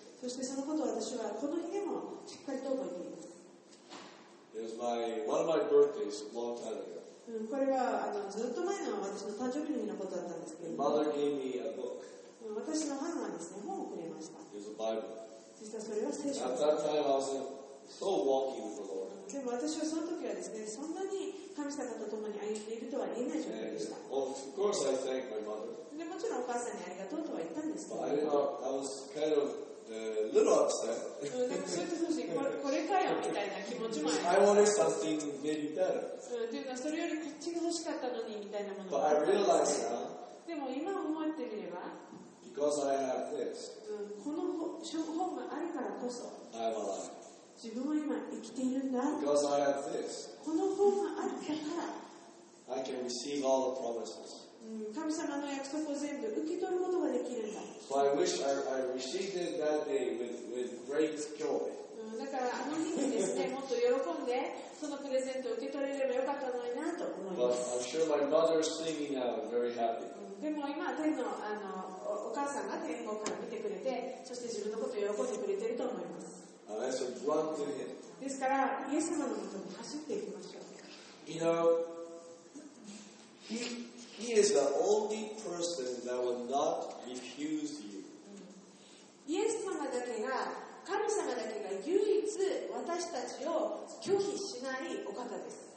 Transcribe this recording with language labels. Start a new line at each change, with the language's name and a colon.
Japanese: そしてそのことを私はこの日でもしっかりと覚えています。
English: It was my one of my birthdays a long time ago.
Japanese: これはずっと前の私の誕生日のことだったんですけど。
English: My mother gave me a book.
Japanese: 私の母がですね、本をくれました。
English: It was a Bible.
Japanese: そしてそれは聖書。
English: At that time, I was so walking with the Lord.
Japanese: でも私はその時はですね、そんなに神様と共に歩んでいるとは言えない状況でした。
English: Well, of course, I thank my mother.
Japanese: でもちろんお母さんにありがとうとは言ったんですけど。
English: But I didn't know, I was kind of a little upset.
Japanese: でもそれと同時にこれかよみたいな気持ちもありました
English: 。I wanted something maybe better.
Japanese: でもそれよりこっちが欲しかったのにみたいなものもありました。
English: But I realized that.
Japanese: でも今思ってみれば、
English: Because I have this.
Japanese: この本があるからこそ
English: I have a life.
Japanese: 自分は今生きているんだ。
English: Because I have this.
Japanese: この本があるから
English: I can receive all the promises.
Japanese: 神様の約束を全部受け取ることができるんだ。
English: So I wish I received it that day with great joy.
Japanese: だからあの日にですね、もっと喜んでそのプレゼントを受け取れればよかったのになと思います。
English: But I'm sure my mother is singing now very happy.
Japanese: でも今天のお母さんが天国から見てくれて、そして自分のことを喜んでくれていると思います。ですからイエス様のことに走っていきましょう。
English: You know, he is the only person that will not refuse you.
Japanese: イエス様だけが神様だけが唯一私たちを拒否しないお方です。